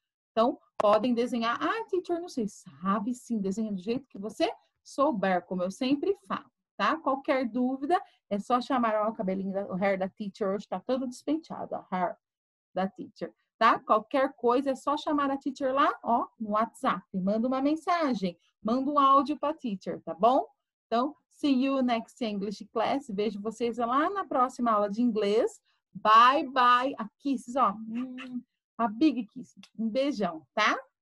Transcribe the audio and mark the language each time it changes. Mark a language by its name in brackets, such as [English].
[Portuguese] Então, podem desenhar. Ah, teacher, não sei. Sabe sim, desenha do jeito que você souber, como eu sempre falo, tá? Qualquer dúvida, é só chamar o cabelinho, o hair da teacher. Hoje tá todo despenteado, ó, hair da teacher. Tá? Qualquer coisa, é só chamar a teacher lá, ó, no WhatsApp. Manda uma mensagem, manda um áudio pra teacher, tá bom? [English] Então, see you next English class. [Portuguese] Vejo vocês lá na próxima aula de inglês. [English] Bye, bye. A kisses, [Portuguese] ó. [English] A big kiss. [Portuguese] Um beijão, tá?